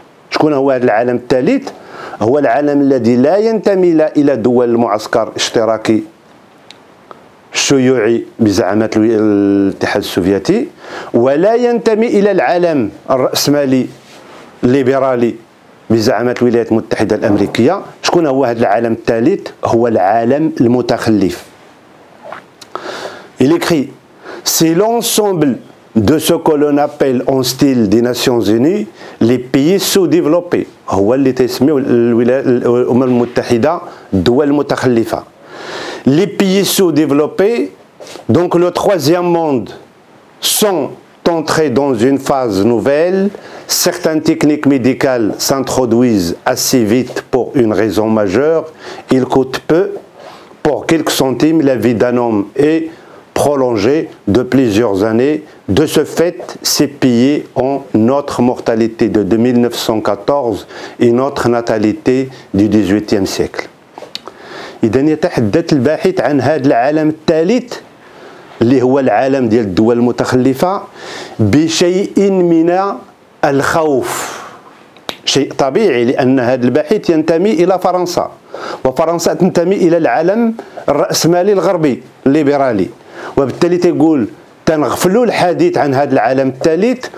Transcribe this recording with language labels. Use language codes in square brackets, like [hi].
[ar] شكون هو هذا العالم الثالث؟ هو العالم الذي لا ينتمي لا الى دول المعسكر الاشتراكي الشيوعي بزعامه الاتحاد السوفيتي ولا ينتمي الى العالم الراسمالي الليبرالي بزعامة الولايات المتحدة الأمريكية. شكون هو هذا العالم الثالث؟ هو العالم المتخلف. [fr] Il écrit: Si l'ensemble de ce que l'on appelle en style des Nations Unies les pays sous-développés, [ar] هو اللي تسميه الأمم المتحدة الدول المتخلفة. [fr] Les pays sous-développés, donc le troisième monde, sont entrer dans une phase nouvelle, certaines techniques médicales s'introduisent assez vite pour une raison majeure, il coûte peu, pour quelques centimes, la vie d'un homme est prolongée de plusieurs années. De ce fait, ces pays ont notre mortalité de 1914 et notre natalité du 18e siècle. [ar] إذن يتحدث الباحث عن هذا العالم الثالث اللي هو العالم ديال الدول المتخلفة بشيء من الخوف، شيء طبيعي لأن هذا الباحث ينتمي إلى فرنسا وفرنسا تنتمي إلى العالم الرأسمالي الغربي الليبرالي، وبالتالي تقول تنغفلوا الحديث عن هذا العالم الثالث.